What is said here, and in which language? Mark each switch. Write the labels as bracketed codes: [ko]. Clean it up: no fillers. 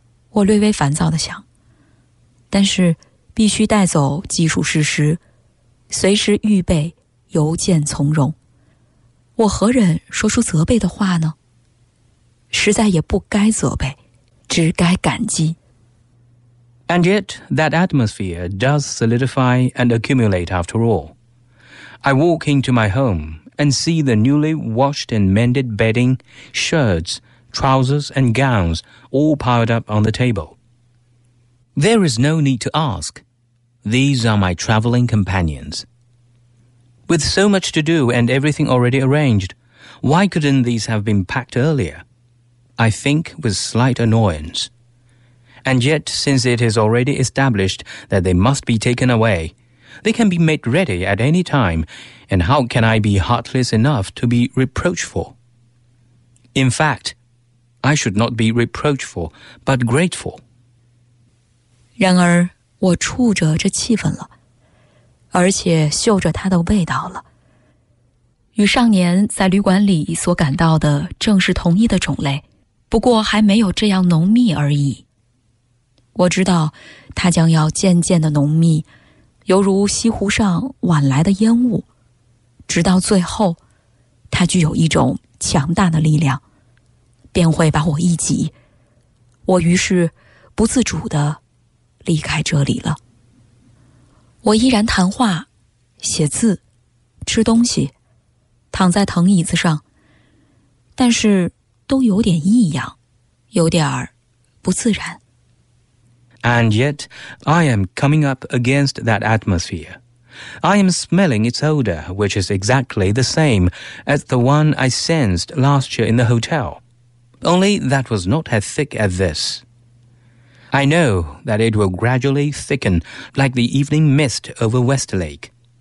[zh] 我略微烦躁地想，但是必须带走技术事实，随时预备邮件从容。我何忍说出责备的话呢？实在也不该责备，只该感激。 [en] And yet, that atmosphere does solidify and accumulate after all. I walk into my home and see the newly washed and mended bedding, shirts, trousers, and gowns all piled up on the table. There is no need to ask. These are my traveling companions. With so much to do and everything already arranged, why couldn't these have been packed earlier? I think with slight annoyance. And yet, since it is already established that they must be taken away, they can be made ready at any time, and how can I be heartless enough to be reproachful? In fact, I should not be reproachful, but grateful. [zh] 然而，我触着这气氛了，而且嗅着它的味道了。与上年在旅馆里所感到的正是同一的种类，不过还没有这样浓密而已。我知道它将要渐渐的浓密，犹如西湖上晚来的烟雾，直到最后它具有一种强大的力量，便会把我一挤，我于是不自主地离开这里了。我依然谈话、写字、吃东西、躺在藤椅子上，但是都有点异样，有点不自然。 [en] And yet, I am coming up against that atmosphere. I am smelling its odor, which is exactly the same as the one I sensed last year in the hotel. Only that was not as thick as this. I know that it will gradually thicken like the evening mist over Westlake.